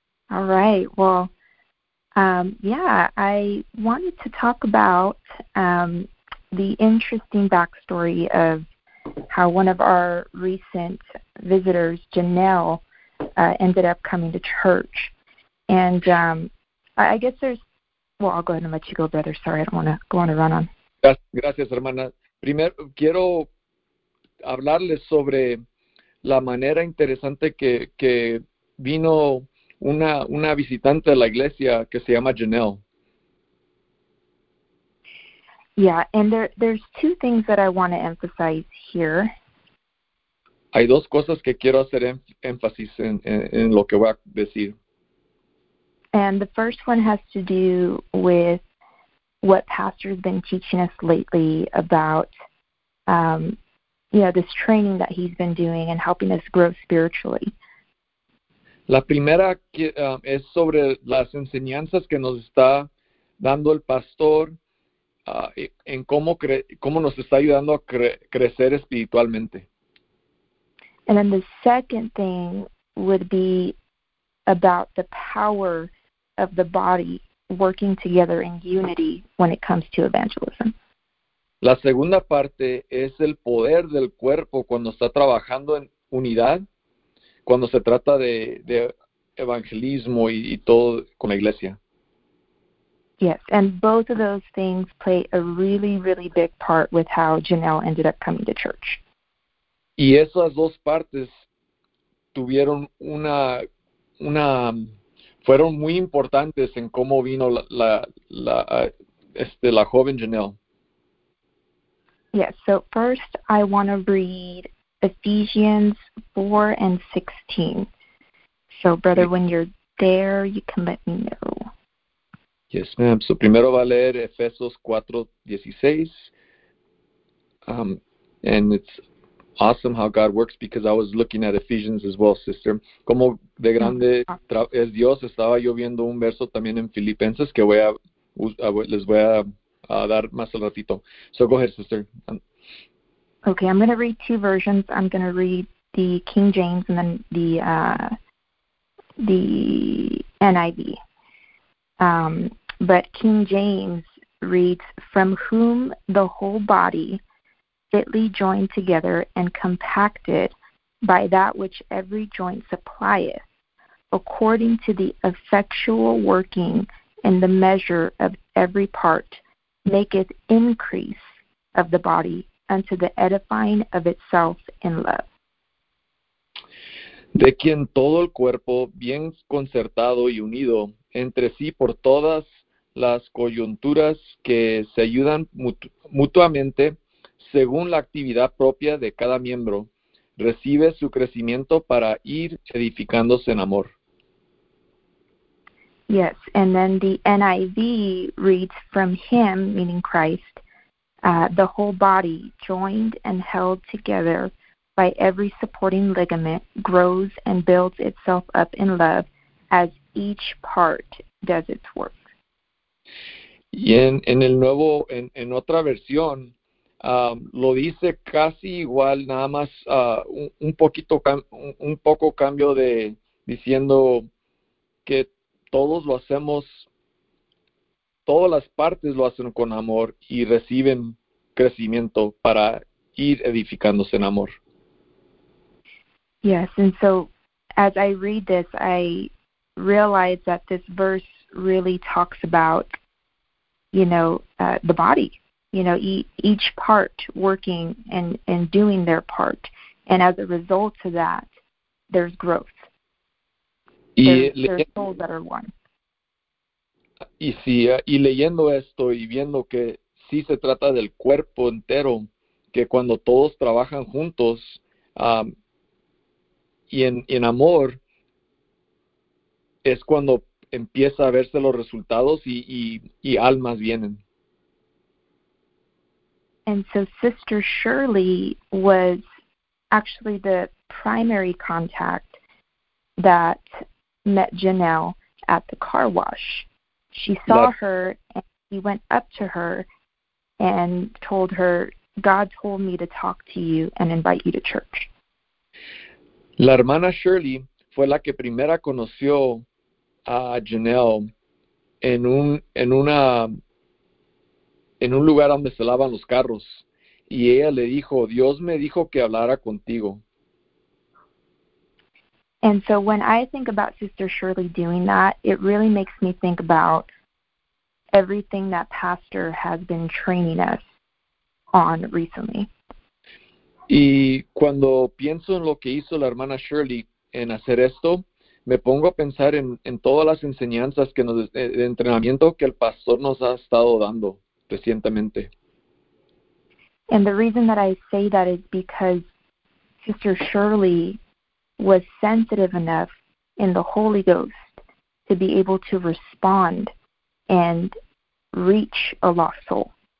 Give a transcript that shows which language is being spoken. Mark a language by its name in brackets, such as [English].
[English] All right, well, I wanted to talk about the interesting backstory of how one of our recent visitors, Janelle, ended up coming to church. And I guess there's, well, I'll go ahead and let you go, brother. Sorry, I don't want to go on a run on. [Spanish] Gracias, hermana. Primero, quiero hablarles sobre la manera interesante que vino una visitante de la iglesia que se llama Janelle. [English] Yeah, and there's two things that I want to emphasize here. [Spanish] Hay dos cosas que quiero hacer énfasis en lo que voy a decir. [English] And the first one has to do with what Pastor's been teaching us lately about, this training that he's been doing and helping us grow spiritually. [Spanish] La primera es sobre las enseñanzas que nos está dando el pastor en cómo nos está ayudando a crecer espiritualmente. [English] And then the second thing would be about the power of the body working together in unity when it comes to evangelism. [Spanish] La segunda parte es el poder del cuerpo cuando está trabajando en unidad, cuando se trata de evangelismo y todo con la iglesia. [English] Yes, and both of those things play a really, really big part with how Janelle ended up coming to church. [Spanish] Y esas dos partes tuvieron una fueron muy importantes en cómo vino la joven Janelle. [English] Yes, so first I want to read Ephesians 4 and 16. So, brother, when you're there, you can let me know. Yes, ma'am. So, [Spanish] primero va a leer Efesios 4:16. [English] And it's awesome how God works because I was looking at Ephesians as well, sister. [Spanish] Como de grande es Dios, estaba yo viendo un verso también en Filipenses que les voy a dar más al ratito. [English] So, go ahead, sister. Okay, I'm going to read two versions. I'm going to read the King James and then the NIV. But King James reads, "From whom the whole body, fitly joined together and compacted by that which every joint supplieth, according to the effectual working in the measure of every part, maketh increase of the body, unto the edifying of itself in love." [Spanish] De quien todo el cuerpo, bien concertado y unido entre sí por todas las coyunturas que se ayudan mutuamente según la actividad propia de cada miembro, recibe su crecimiento para ir edificándose en amor. [English] Yes, and then the NIV reads, "From him," meaning Christ, "the whole body, joined and held together by every supporting ligament, grows and builds itself up in love as each part does its work." [Spanish] Y en el nuevo, en otra versión, lo dice casi igual, nada más un poco cambio de diciendo que todos lo hacemos, todas las partes lo hacen con amor y reciben crecimiento para ir edificándose en amor. [English] Yes, and so as I read this, I realize that this verse really talks about, the body, each part working and doing their part. And as a result of that, there's growth. There's souls that are one. [Spanish] Y si, y leyendo esto y viendo que sí se trata del cuerpo entero, que cuando todos trabajan juntos y en amor, es cuando empieza a verse los resultados y almas vienen. [English] And so Sister Shirley was actually the primary contact that met Janelle at the car wash. She saw her and he went up to her and told her, God told me to talk to you and invite you to church. [Spanish] La hermana Shirley fue la que primera conoció a Janelle en un lugar donde se lavan los carros. Y ella le dijo, Dios me dijo que hablara contigo. [English] And so when I think about Sister Shirley doing that, it really makes me think about everything that Pastor has been training us on recently. [Spanish] Y cuando pienso en lo que hizo la hermana Shirley en hacer esto, me pongo a pensar en todas las enseñanzas que nos de entrenamiento que el pastor nos ha estado dando recientemente. [English] And the reason that I say that is because Sister Shirley was sensitive enough in the Holy Ghost to be able to respond and reach a lost soul.